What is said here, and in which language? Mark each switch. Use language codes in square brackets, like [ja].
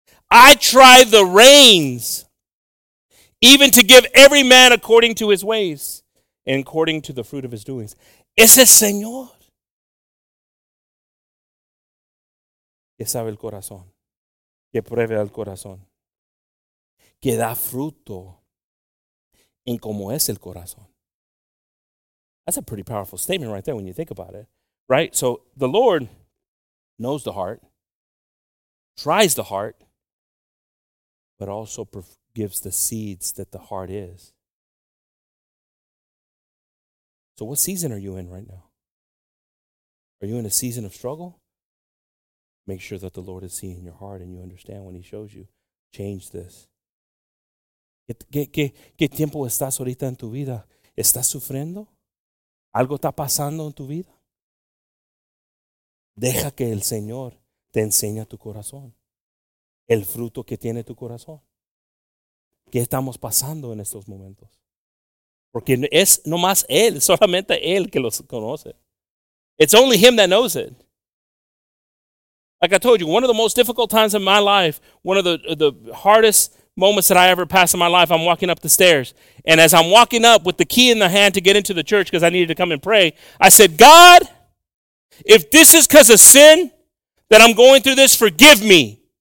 [en] I try the reins, even to give every man according to his ways and according to the fruit of his doings. [es] Ese Señor que sabe el corazón, que pruebe al corazón, que da fruto en cómo es el corazón. [en] That's a pretty powerful statement right there when you think about it, right? So the Lord knows the heart, tries the heart, but also gives the seeds that the heart is. So what season are you in right now? Are you in a season of struggle? Make sure that the Lord is seeing your heart and you understand when he shows you. Change this. [es] ¿Qué tiempo estás ahorita en tu vida? ¿Estás sufriendo? ¿Algo está pasando en tu vida? Deja que el Señor te enseñe tu corazón. El fruto que tiene tu corazón. ¿Qué estamos pasando en estos momentos? Porque es nomás Él, solamente Él que los conoce. [en] It's only Him that knows it. Like I told you, one of the most difficult times in my life, one of the hardest moments that I ever passed in my life, I'm walking up the stairs. And as I'm walking up with the key in the hand to get into the church because I needed to come and pray, I said, God, if this is because of sin that I'm going through this, forgive me.